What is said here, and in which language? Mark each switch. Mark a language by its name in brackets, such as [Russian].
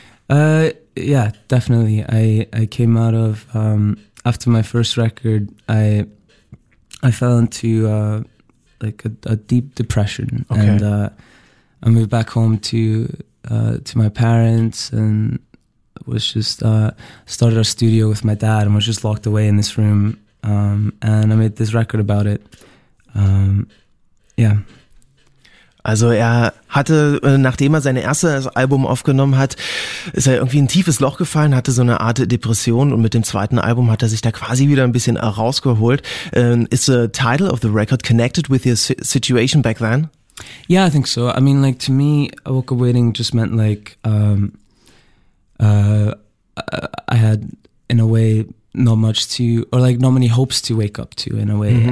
[English] Yeah, definitely. I came out of, after my first record, I fell into, a deep depression. Okay. And, I moved back home to my parents and was just started our studio with my dad and was just locked away in this room and I made this record about it. Yeah. [German] Also er hatte, nachdem er sein erstes Album aufgenommen hat, ist er irgendwie in ein tiefes Loch gefallen, hatte so eine Art Depression und mit dem zweiten Album hat er sich da quasi wieder ein bisschen rausgeholt. [English] Is the title of the record connected with your situation back then? Yeah, I think so. I mean, like, to me, I woke up waiting just meant, like, I had, in a way, not much to, or, like, not many hopes to wake up to, in a way. Mm-hmm.